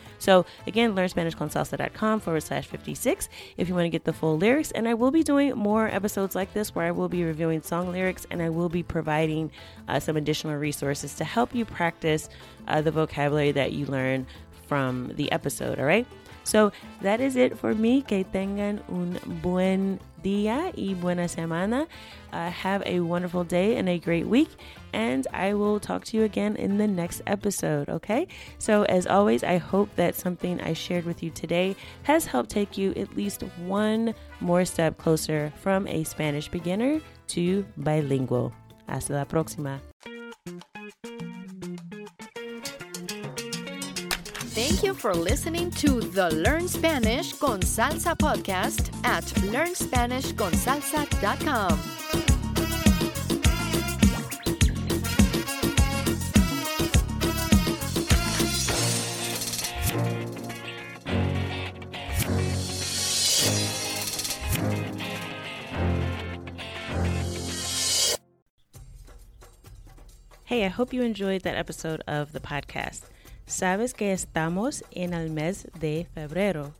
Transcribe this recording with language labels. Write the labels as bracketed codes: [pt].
[en] So again, learnspanishconsalsa.com/56 if you want to get the full lyrics. And I will be doing more episodes like this where I will be reviewing song lyrics, and I will be providing some additional resources to help you practice the vocabulary that you learn from the episode. All right. So that is it for me. [es] Que tengan un buen día y buena semana. [en] Have a wonderful day and a great week. And I will talk to you again in the next episode. Okay. So as always, I hope that something I shared with you today has helped take you at least one more step closer from a Spanish beginner to bilingual. [es] Hasta la próxima. [en] Thank you for listening to the Learn Spanish con Salsa podcast at learnspanishconsalsa.com. Hey, I hope you enjoyed that episode of the podcast. [es] Sabes que estamos en el mes de febrero.